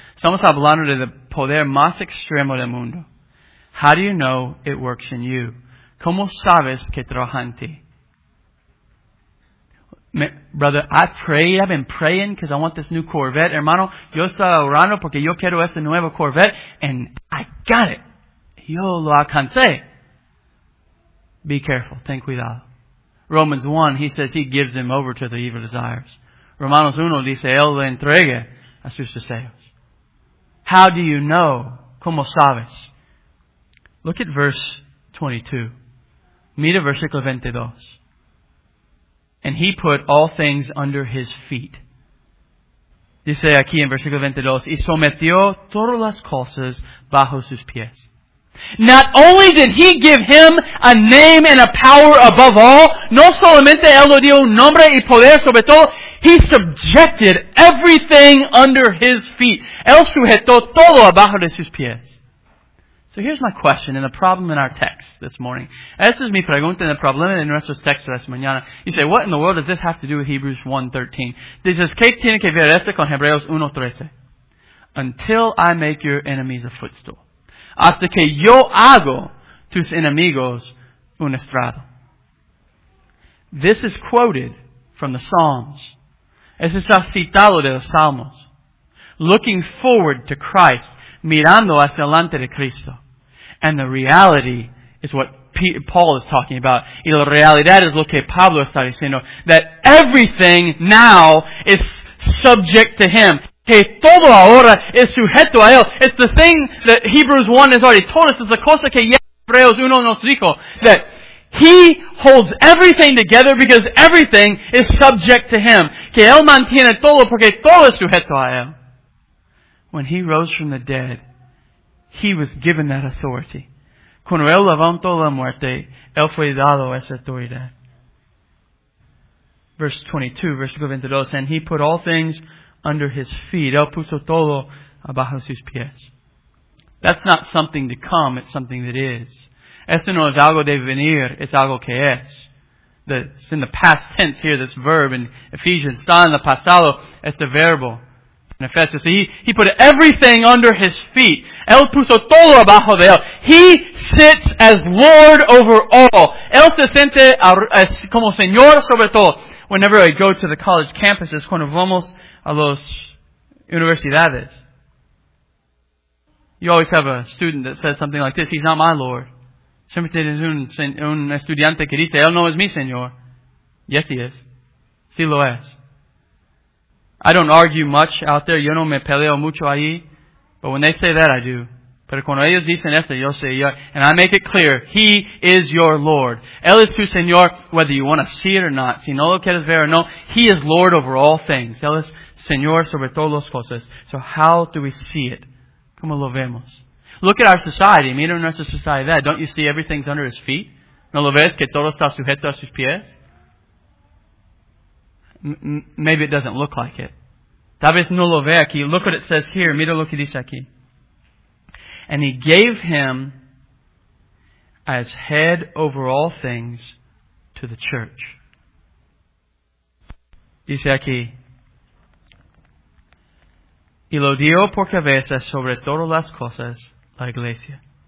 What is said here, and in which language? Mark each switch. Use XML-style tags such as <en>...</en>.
<es>Estamos hablando de el poder más extremo del mundo.</es> <en>How do you know it works in you?</en> <es>¿Cómo sabes que trabaja en ti?</es> <en>Brother, I've been praying because I want this new Corvette.</en> <es>Hermano, yo estaba orando porque yo quiero este nuevo Corvette.</es> <en>And I got it.</en> <es>Yo lo alcancé.</es> <en>Be careful.</en> <es>Ten cuidado.</es> <en>Romans 1, he says he gives him over to the evil desires.</en> <es>Romanos 1 dice, él le entrega a sus deseos.</es> <en>How do you know?</en> <es>¿Cómo sabes?</es> <en>Look at verse 22.</en> <es>Mira versículo 22.</es> <en>And he put all things under his feet.</en> <es>Dice aquí en versículo 22, y sometió todas las cosas bajo sus pies.</es> <en>Not only did he give him a name and a power above all,</en> <es>no solamente él lo dio un nombre y poder sobre todo,</es> <en>he subjected everything under his feet.</en> <es>Él sujetó todo abajo de sus pies.</es> <en>So here's my question and the problem in our text this morning.</en> <es>Esta es mi pregunta y el problema en nuestro texto esta mañana.</es> <en>You say, what in the world does this have to do with Hebrews 1:13?</en> <es>Dices, ¿qué tiene que ver esto con Hebreos 1:13?</es> <en>Until I make your enemies a footstool.</en> <es>Hasta que yo hago tus enemigos un estrado.</es> <en>This is quoted from the Psalms.</en> <es>Es está citado de los Salmos.</es> <en>Looking forward to Christ.</en> <es>Mirando hacia delante de Cristo.</es> <en>And the reality is what Paul is talking about.</en> <es>Y la realidad es lo que Pablo está diciendo.</es> <en>That everything now is subject to him.</en> <es>Que todo ahora es sujeto a él.</es> <en>It's the thing that Hebrews 1 has already told us. It's the</en> <es>cosa que ya Hebreos 1 nos dijo.</es> <en>That he holds everything together because everything is subject to him.</en> <es>Que él mantiene todo porque todo es sujeto a él.</es> <en>When he rose from the dead, he was given that authority.</en> <es>Cuando él levantó la muerte, él fue dado esa autoridad.</es> <en>Verse 22,</en> <es>versículo 22,</es> <en>and he put all things under his feet.</en> <es>Él puso todo abajo sus pies.</es> <en>That's not something to come, it's something that is.</en> <es>Esto no es algo de venir, es algo que es.</es> <en>It's in the past tense here, this verb in Ephesians.</en> <es>Está en el pasado, este verbo.</es> <en>So he put everything under his feet.</en> <es>Él puso todo abajo de él.</es> <en>He sits as Lord over all.</en> <es>Él se siente como Señor sobre todo.</es> <en>Whenever I go to the college campuses,</en> <es>cuando vamos a las universidades,</es> <en>you always have a student that says something like this, he's not my Lord.</en> <es>Siempre tienes un estudiante que dice, él no es mi Señor.</es> <en>Yes, he is.</en> <es>Sí lo es.</es> <en>I don't argue much out there.</en> <es>Yo no me peleo mucho ahí.</es> <en>But when they say that, I do.</en> <es>Pero cuando ellos dicen esto, yo sé.</es> <en>And I make it clear. He is your Lord.</en> <es>Él es tu Señor,</es> <en>whether you want to see it or not.</en> <es>Si no lo quieres ver o no,</es> <en>he is Lord over all things.</en> <es>Él es Señor sobre todas las cosas.</es> <en>So how do we see it?</en> <es>¿Cómo lo vemos?</es> <en>Look at our society.</en> <es>Mira nuestra sociedad.</es> <en>Don't you see everything's under his feet?</en> <es>¿No lo ves que todo está sujeto a sus pies?</es> <en>Maybe it doesn't look like it.</en> <es>Tal vez no lo ve aquí.</es> <en>Look what it says here.</en> <es>Mira lo que dice aquí.</es> <en>And he gave him as head over all things to the church.</en> <es>Dice aquí. y lo dio por cabeza sobre todas las cosas, la iglesia.</es>